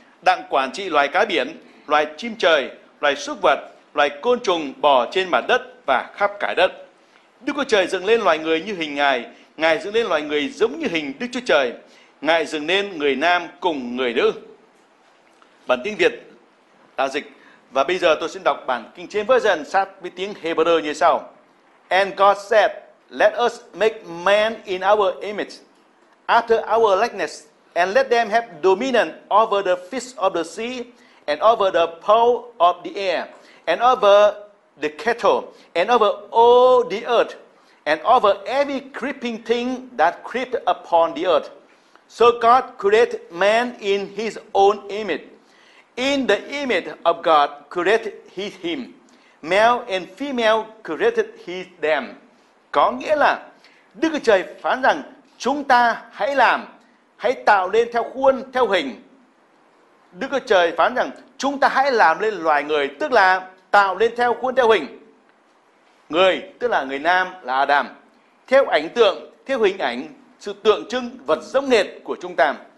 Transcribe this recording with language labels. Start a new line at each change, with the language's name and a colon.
Vietnamese: đặng quản trị loài cá biển, loài chim trời, loài súc vật, loài côn trùng bò trên mặt đất và khắp cả đất. Đức Chúa Trời dựng lên loài người như hình Ngài, Ngài dựng lên loài người giống như hình Đức Chúa Trời, Ngài dựng nên người nam cùng người nữ. Bản tiếng Việt đã dịch, và bây giờ tôi xin đọc bản King James Version sát với tiếng Hebrew như sau.
English: And God said, let us make man in our image, after our likeness, and let them have dominion over the fish of the sea, and over the fowl of the air, and over the cattle, and over all the earth, and over every creeping thing that creep upon the earth. So God created man in his own image. In the image of God created he him. Male and female created he them.
Vietnamese: Có nghĩa là Đức Chúa Trời phán rằng chúng ta hãy làm, hãy tạo lên theo khuôn, theo hình. Đức Chúa Trời phán rằng chúng ta hãy làm lên loài người, tức là tạo lên theo khuôn, theo hình. Người, tức là người nam là Adam. Theo ảnh tượng, theo hình ảnh, sự tượng trưng vật giống hệt của chúng ta.